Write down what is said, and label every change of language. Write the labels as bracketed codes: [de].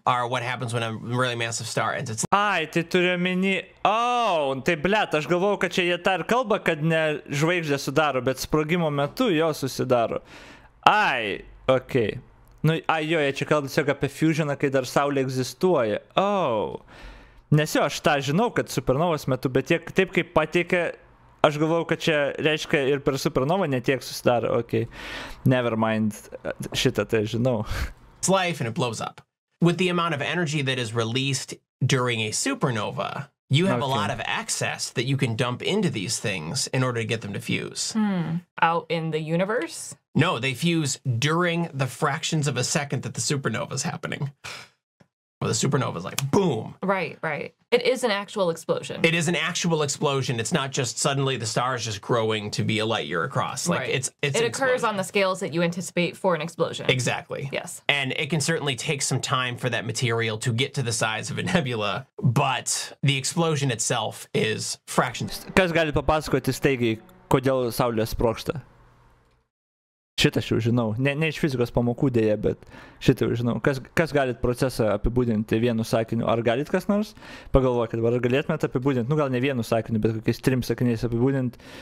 [en] are what happens when a really massive star ends its... [lt] Ai, tai turiu mini... Oh, tai blėt, aš galvojau, kad čia jie tar kalba, kad ne žvaigždė sudaro, bet sprogimo metu jo susidaro. Ai, okei. Okay. Nu, ai, jo, jie čia kalba tiesiog apie fusioną, kai dar Saulė egzistuoja. Oh. Nes jo, aš tą žinau, kad supernovas metu, bet tiek, taip kaip pateikė, aš galvojau, kad čia reiškia ir per supernovą netiek susidaro. Okei. [en] Okay. Never mind. [lt] Šitą tai žinau. [en] Life and it blows up. With the amount of energy that is released during a supernova, you have okay. a lot of excess that you can dump into these things in order to get them to fuse. Hmm. Out in the universe? No, they fuse during the fractions of a second that the supernova is happening. Well, the supernova is like, boom. Right, right. It is an actual explosion. It is an actual explosion. It's not just suddenly the star is just growing to be a light year across. Like right. It's it occurs explosion. On the scales that you anticipate for an explosion. Exactly. Yes. And it can certainly take some time for that material to get to the size of a nebula, but the explosion itself is fractions. [lt] Kas gali papasakoti staigiai, kodėl Saulė sprogsta? Šitą aš jau žinau. Ne iš fizikos pamokų dėja, bet šitą jau žinau. Kas galit procesą apibūdinti vienu sakiniu? Ar galit kas nors? Pagalvokit, ar galėtumėt apibūdinti? Nu, gal ne vienu sakiniu, bet kokiais 3 sakiniais apibūdinti.